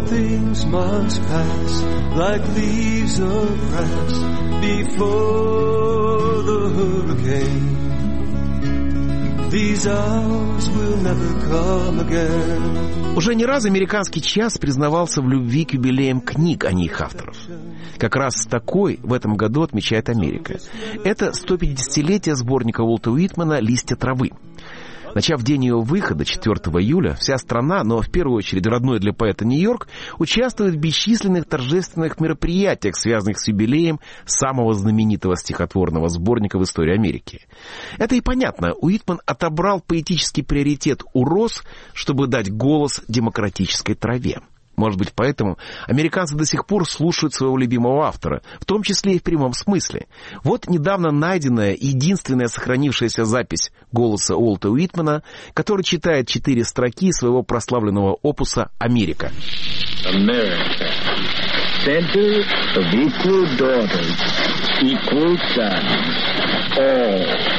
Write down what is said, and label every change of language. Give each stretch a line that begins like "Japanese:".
English: Pass like leaves of grass before the hurricane. These hours will never come again.
Russian: Уже не раз «Американский час» признавался в любви к юбилеям книг, а не их авторов. Как раз такой в этом году отмечает Америка. Это 150-летие сборника Уолта Уитмана «Листья травы». Начав день ее выхода, 4 июля, вся страна, но в первую очередь родной для поэта Нью-Йорк, участвует в бесчисленных торжественных мероприятиях, связанных с юбилеем самого знаменитого стихотворного сборника в истории Америки. Это и понятно. Уитман отобрал поэтический приоритет у роз, чтобы дать голос демократической траве. Может быть, поэтому американцы до сих пор слушают своего любимого автора, в том числе и в прямом смысле. Вот недавно найденная, единственная сохранившаяся запись голоса Уолта Уитмана, который читает четыре строки своего прославленного опуса «Америка».
English: «Америка. Center of equal daughters, equal sons.